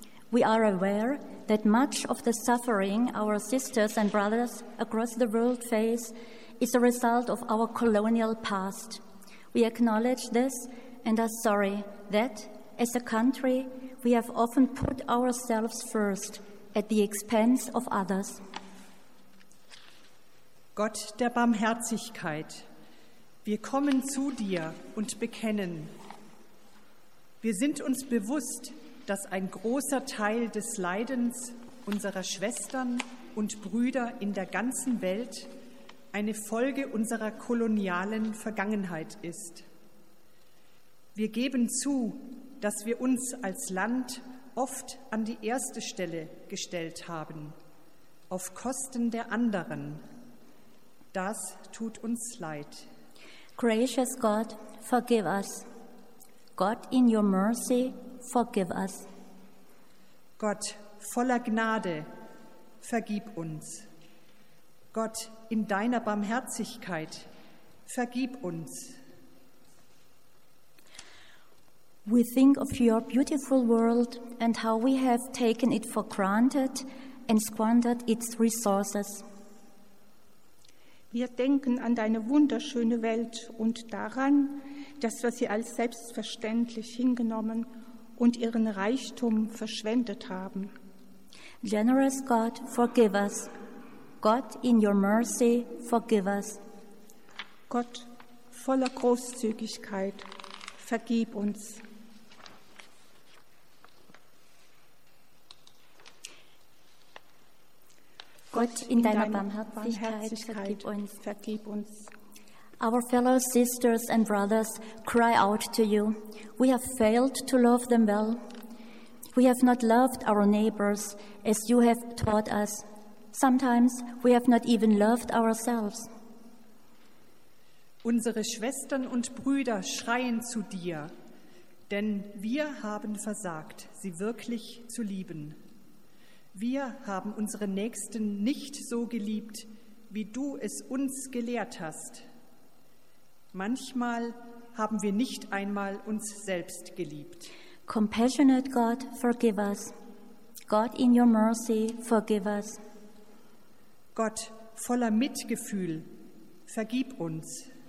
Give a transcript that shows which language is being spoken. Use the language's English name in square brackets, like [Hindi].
[English] We are aware that much of the suffering our sisters and brothers across the world face is a result of our colonial past. We acknowledge this and are sorry that, as a country, we have often put ourselves first at the expense of others. [German] Gott der Barmherzigkeit, wir kommen zu dir und bekennen. Wir sind uns bewusst, dass ein großer Teil des Leidens unserer Schwestern und Brüder in der ganzen Welt eine Folge unserer kolonialen Vergangenheit ist. Wir geben zu, dass wir uns als Land oft an die erste Stelle gestellt haben, auf Kosten der anderen. Das tut uns leid. [English] Gracious God, forgive us. God, in your mercy, forgive us. [German] Gott, voller Gnade, vergib uns. Gott, in deiner Barmherzigkeit, vergib uns. [English] We think of your beautiful world and how we have taken it for granted and squandered its resources. [German] Wir denken an deine wunderschöne Welt und daran, dass wir sie als selbstverständlich hingenommen und ihren Reichtum verschwendet haben. [English] Generous God, forgive us. God, in your mercy, forgive us. [German] Gott, voller Großzügigkeit, vergib uns. Gott, in deiner Barmherzigkeit, vergib uns. [English] Our fellow sisters and brothers cry out to you. We have failed to love them well. We have not loved our neighbors as you have taught us. Sometimes we have not even loved ourselves. [German] Unsere Schwestern und Brüder schreien zu dir, denn wir haben versagt, sie wirklich zu lieben. Wir haben unsere Nächsten nicht so geliebt, wie du es uns gelehrt hast. Manchmal haben wir nicht einmal uns selbst geliebt. [English] Compassionate God, forgive us. God, in your mercy, forgive us. [German] Gott, voller Mitgefühl, vergib uns.